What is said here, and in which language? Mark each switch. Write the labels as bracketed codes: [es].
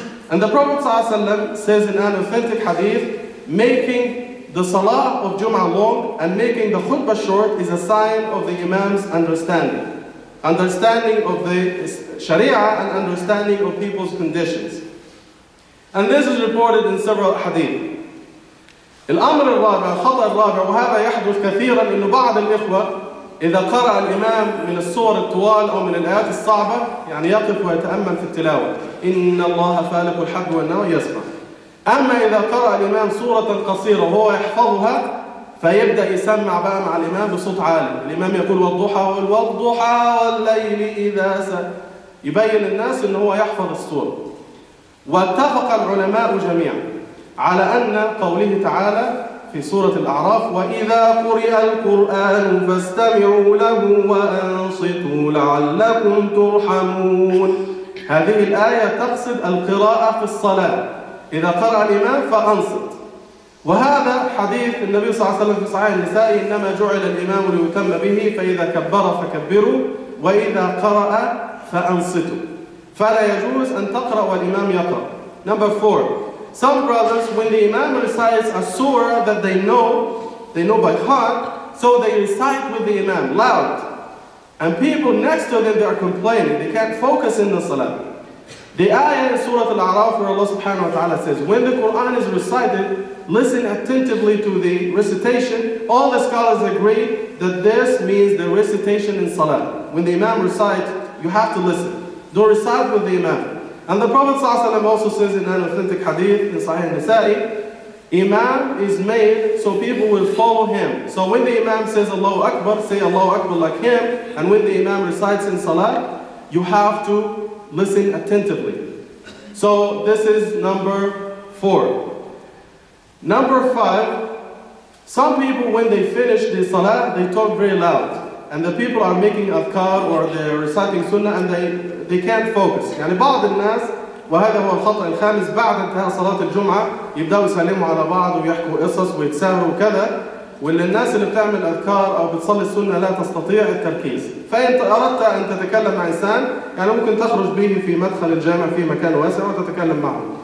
[en] And the Prophet ﷺ says in an authentic hadith, making the salah of Jum'ah long and making the khutbah short is a sign of the imam's understanding. Understanding of the Sharia and understanding of people's conditions. And this is reported in several hadith. [ar] الأمر الرابع، الخطأ الرابع، وهذا يحدث كثيرا إنه بعض الإخوة إذا قرأ الإمام من الصور الطوال أو من الآيات الصعبة يعني يقف ويتأمل في التلاوة. إن الله فالق الحب والنوى يسمع. أما إذا قرأ الإمام صورة قصيرة وهو يحفظها فيبدأ يسمع بقى مع الإمام بصوت عالي، الإمام يقول والضحى والضحى والليل إذا سجى، يبين للناس إن هو يحفظ السورة. واتفق العلماء جميعا على أن قوله تعالى في سورة الأعراف وإذا قرئ القرآن فاستمعوا له وأنصتوا لعلكم ترحمون، هذه الآية تقصد القراءة في الصلاة، إذا قرأ الإمام فأنصت. وهذا حديث النبي صلى الله عليه وسلم في صحيح النسائي إنما جعل الإمام ليتم به فإذا كبر فكبروا وإذا قرأ فأنصتوا. ف فلا يجوز أن تقرأ والإمام يقرأ. [en] Number four, some brothers, when the Imam recites a surah that they know by heart, so they recite with the Imam loud. And people next to them, they are complaining. They can't focus in the salah. The ayah in Surah Al-A'raf, where Allah subhanahu wa ta'ala says, when the Quran is recited, listen attentively to the recitation. All the scholars agree that this means the recitation in salah. When the Imam recites, you have to listen. Don't recite with the Imam. And the Prophet ﷺ also says in an authentic hadith in Sahih Nasa'i, Imam is made so people will follow him. So when the Imam says Allahu Akbar, say Allahu Akbar like him. And when the Imam recites in Salah, you have to listen attentively. So this is number four. Number five, some people when they finish the Salah, they talk very loud. And the people are making adhkar or they're reciting sunnah and they can't focus. [ar] يعني بعض الناس وهذا هو الخطأ الخامس بعد انتهاء صلاة الجمعة يبدأوا يسلموا على بعض ويحكوا قصص ويتساهروا وكذا واللي الناس اللي بتعمل أذكار أو بتصلي السنة لا تستطيع التركيز. فإن أردت أن تتكلم مع إنسان يعني ممكن تخرج به في مدخل الجامع في مكان واسع وتتكلم معه.